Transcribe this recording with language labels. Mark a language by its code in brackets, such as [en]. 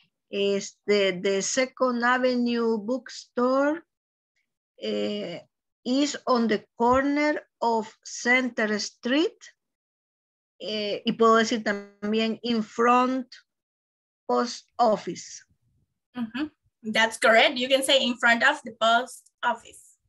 [en] The Second Avenue Bookstore is on the corner of Center Street. [es] Y puedo decir también [en] in front post office. That's correct. You can say in front of the post office.